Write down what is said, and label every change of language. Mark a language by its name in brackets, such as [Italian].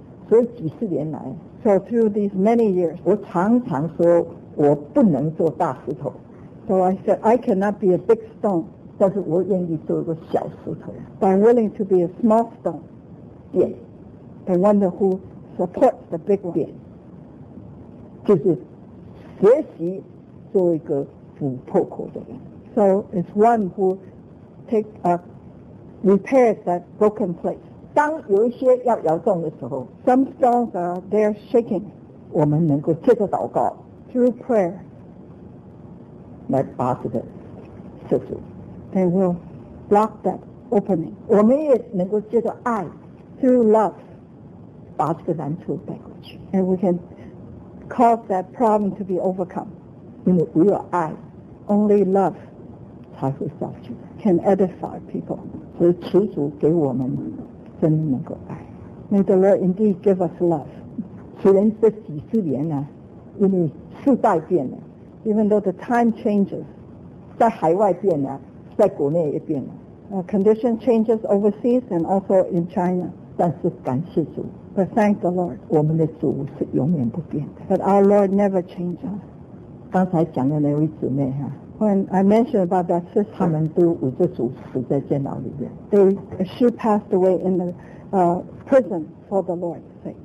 [Chinese] 所以几十年来 [English] ，So through these many years, [Chinese] 我常常说我不能做大石头。 [English] So I said I cannot be a big stone. [Chinese] 但是我愿意做一个小石头。 [English] But I'm willing to be a small stone. Yes, the one who supports the big one. [Chinese] Yes, 就是学习做一个补破口的人。 [English] So it's one who takes a repairs that broken place. [Chinese] 当有一些要摇动的时候 [English] ，some stones are there shaking. [Chinese] 我们能够借着祷告 [English] ，through prayer, [Chinese] 来把这个塞住 [English] ，they will block that opening. [Chinese] 我们也能够借着爱 [English] ，through love, [Chinese] 把这个难处带过去 [English] ，and we can cause that problem to be overcome. [Chinese] 因为唯有爱 [English] ，only love, [Chinese] 才会造就。 [English] Can edify people. [Chinese] 所以求主给我们真能够爱。 [English] May the Lord indeed give us love. [Chinese] 虽然这几十年呢、啊，因为世代变了 [English] ，even though the time changes， [Chinese] 在海外变了，在国内也变了。 [English] Condition changes overseas and also in China. [Chinese] 但是感谢主 [English] ，but thank the Lord， [Chinese] 我们的主是永远不变的。 [English] But our Lord never changes. [Chinese] 刚才讲的那位姊妹哈、啊。 [English] When I mentioned about that sister, [Chinese] 他们都捂着主死在监牢里面。 [English] She passed away in the prison for the Lord's sake.